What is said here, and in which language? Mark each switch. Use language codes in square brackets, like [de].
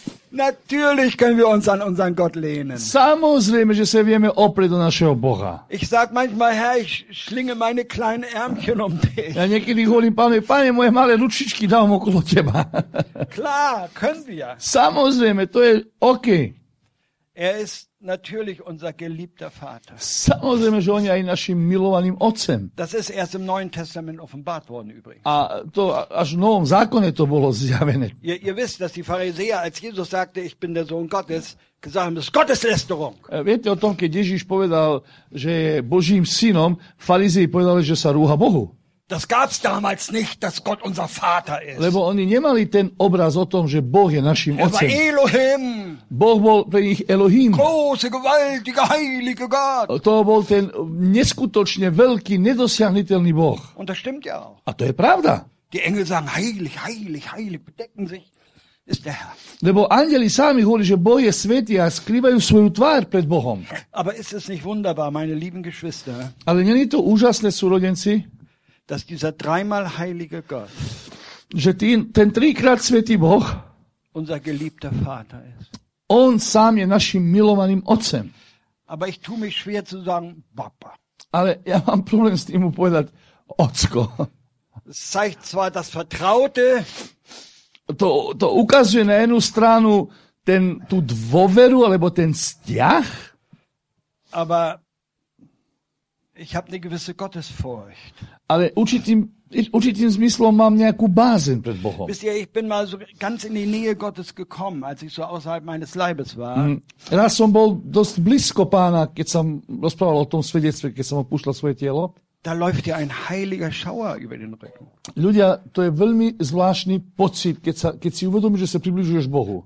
[de] Natürlich können wir uns an unseren Gott lehnen. [sk] Samozrejme, že sa vieme oprieť do našeho Boha. [de] Ich sag manchmal, Herr, ich schlinge meine kleinen Ärmchen um dich. [sk] Ja niekedy hovorím, Pane, moje malé ručičky dám okolo teba. [de] Klar, können wir. [sk] Samozrejme, to je OK. [de] Er ist natürlich unser geliebter Vater. [sk] Samozrejme, že on je aj našim milovaným otcem. [de] Das ist erst im Neuen Testament offenbart worden übrigens. [sk] A to až v Novom zákone to bolo zjavené. [de] Ihr wisst, dass die Pharisäer, als Jesus sagte, ich bin der Sohn Gottes, gesagt haben, das ist Gotteslästerung. [sk] Viete o tom, keď Ježíš povedal, že je Božím synom, farizei povedali, že sa rúha Bohu. [de] Das gab's damals nicht, dass Gott unser Vater ist. [sk] Lebo oni nemali ten obraz o tom, že Boh je našim otcem. [de] Er war Elohim. [sk] Boh bol pre nich Elohim. [de] Große, gewaltige, heilige Gott. [sk] To bol ten neskutočne veľký, nedosiahnutelný Boh. [de] Und das stimmt ja auch. [sk] A to je pravda. [de] Die Engel sagen, heilig, heilig, heilig, bedecken sich, ist der Herr. [sk] Lebo anjeli sami hovorí, že Boh je svätý a skrývajú svoju tvár pred Bohom. [de] Aber ist es nicht wunderbar, meine lieben Geschwister? [sk] Ale nie je to úžasné, súrodenci? [de] Dass dieser dreimal heilige Gott, [sk] že ten trikrát svätý Boh, [de] unser geliebter Vater ist. [sk] On sám je našim milovaným otcem. [de] Aber ich tue mich schwer zu sagen, Papa. [sk] Ale ja mám problém s tým mu povedať, Otcko. [de] Das zeigt zwar das Vertraute, [sk] to ukazuje na jednu stranu tú dôveru, alebo ten vzťah. [de] Aber ich habe eine gewisse Gottesfurcht. [sk] Ale určitým zmyslom mám nejakú bázeň pred Bohom. [de] Wisst ihr, ich bin mal so ganz in die Nähe Gottes gekommen, als ich so außerhalb meines Leibes war. [sk] Raz som bol dosť blízko Pána, keď som rozprával o tom svedectve, keď som opúšťal svoje telo. [de] Da läuft ja ein heiliger Schauer über den Rücken. [sk] Ľudia, to je veľmi zvláštny pocit, keď si uvedomíš, že sa približuješ Bohu.